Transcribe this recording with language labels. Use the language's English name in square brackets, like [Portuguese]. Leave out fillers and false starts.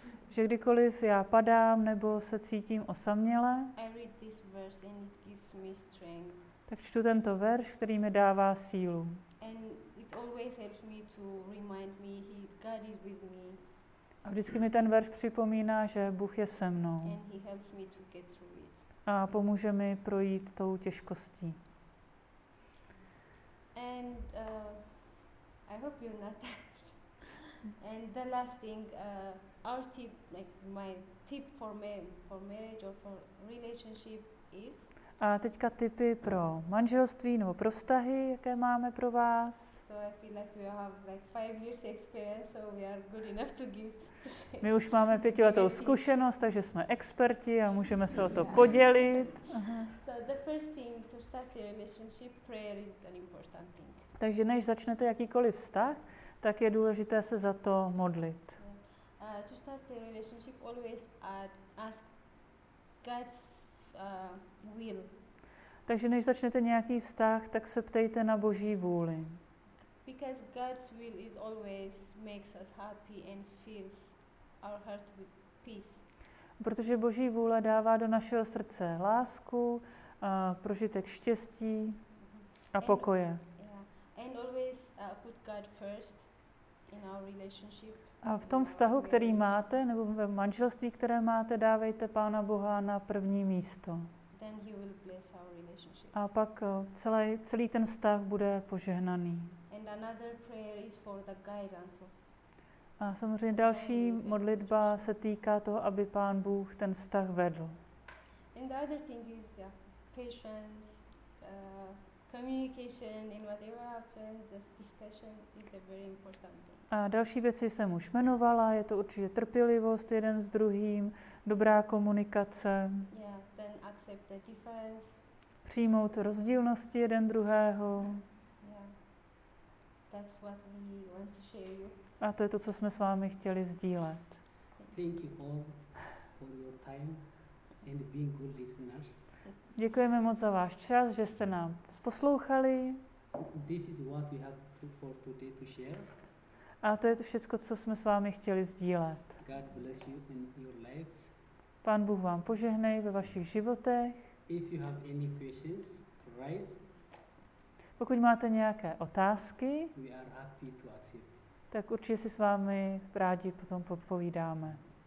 [Czech] Že kdykoliv já padám nebo se cítím osaměle, [English] I read this verse and it gives me strength. [Czech] Tak čtu tento verš, který mi dává sílu. [English] And it always helps me to remind me he, God is with me. [Czech] A vždycky mi ten verš připomíná, že Bůh je se mnou. [English] And he helps me to get through it. [Czech] A pomůže mi projít tou těžkostí. [English] And I hope you're not tired. And the last thing, our tip, like my tip for marriage or for relationship is. [Czech] A teďka tipy pro manželství nebo pro vztahy, jaké máme pro vás. [English] So I feel like we have like 5 years experience, so we are good enough to give. [Czech] My už máme 5letou zkušenost, takže jsme experti a můžeme se o to podělit. [English] So the first thing to start a relationship, prayer is an important thing. [Czech] Takže než začnete jakýkoliv vztah, tak je důležité se za to modlit. [English] To start a relationship, always ask God's will. [Czech] Takže než začnete nějaký vztah, tak se ptejte na Boží vůli. [English] Because God's will is always makes us happy and fills our heart with peace. [Czech] Protože Boží vůle dává do našeho srdce lásku, prožitek štěstí a pokoje. [English] And always put God first in our relationship. [Czech] A v tom vztahu, který máte, nebo v manželství, které máte, dávejte Pána Boha na první místo. [English] Then he will bless our relationship. [Czech] A pak celý ten vztah bude požehnaný. [English] And another prayer is for the guidance of. [Czech] A samozřejmě další modlitba se týká toho, aby Pán Bůh ten vztah vedl. [English] And the other thing is patience, communication in whatever happens, just discussion is a very important thing. [Czech] A další věci jsem už jmenovala, je to určitě trpělivost jeden s druhým, dobrá komunikace. [English] Yeah, then accept the difference. [Czech] Přijmout rozdílnosti jeden druhého. [English] Yeah. that's what we want to share you. [Czech] A to je to, co jsme s vámi chtěli sdílet. [English] Thank you all for your time and being good listeners. [Czech] Děkujeme moc za váš čas, že jste nám poslouchali. [English] This is what we have to, for today to share. [Czech] A to je to všecko, co jsme s vámi chtěli sdílet. [English] God bless you in your life. [Czech] Pán Bůh vám požehnej ve vašich životech. [English] If you have any questions, rise. [Czech] Pokud máte nějaké otázky, [English] we are happy to accept. [Czech] Tak určitě si s vámi rádi potom popovídáme.